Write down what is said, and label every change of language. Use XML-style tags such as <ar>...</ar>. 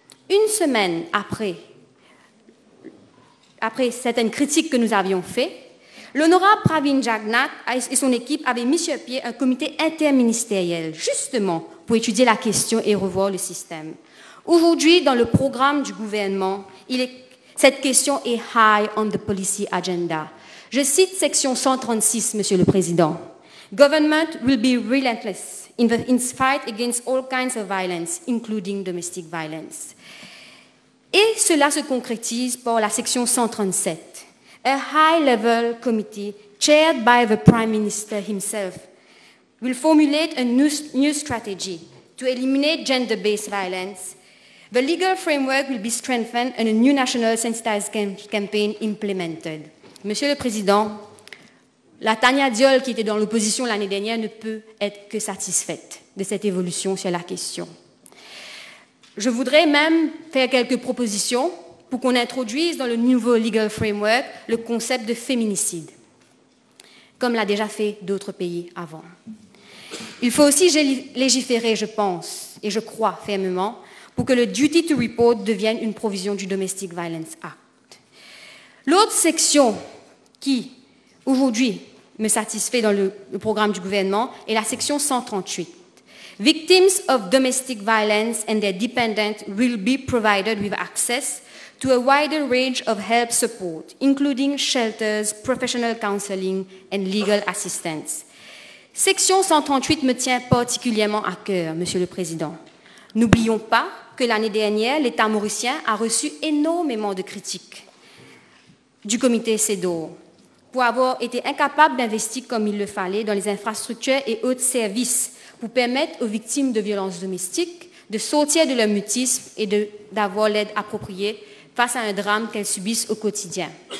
<fr>Une semaine après certaines critiques que nous avions faites, l'honorable Pravin Jagnauth et son équipe avaient mis sur pied un comité interministériel, justement pour étudier la question et revoir le système. Aujourd'hui, dans le programme du gouvernement, cette question est «</fr> <en>high on the policy agenda ».</en> <fr>Je cite section 136, Monsieur le Président.</fr> <en>« Government will be relentless in the fight against all kinds of violence, including domestic violence ».</en> <fr>Et cela se concrétise par la section 137.</fr> <en>A high-level committee chaired by the Prime Minister himself will formulate a new strategy to eliminate gender-based violence. The legal framework will be strengthened and a new national sensitized campaign implemented.</en> <fr>Monsieur le Président, la Tania Diol qui était dans l'opposition l'année dernière ne peut être que satisfaite de cette évolution sur la question. Je voudrais même faire quelques propositions pour qu'on introduise dans le nouveau legal framework le concept de féminicide, comme l'a déjà fait d'autres pays avant. Il faut aussi légiférer, je pense, et je crois fermement, pour que le duty to report devienne une provision du Domestic Violence Act. L'autre section qui, aujourd'hui, me satisfait dans le programme du gouvernement est la section 138.</fr> <en>Victims of domestic violence and their dependents will be provided with access to a wider range of help support, including shelters, professional counseling and legal assistance.</en> <fr>Section 138 me tient particulièrement à cœur, Monsieur le Président. N'oublions pas que l'année dernière, l'État mauricien a reçu énormément de critiques du comité CEDAW pour avoir été incapable d'investir comme il le fallait dans les infrastructures et autres services pour permettre aux victimes de violences domestiques de sortir de leur mutisme et d'avoir l'aide appropriée face à un drame qu'elles subissent au quotidien.</fr>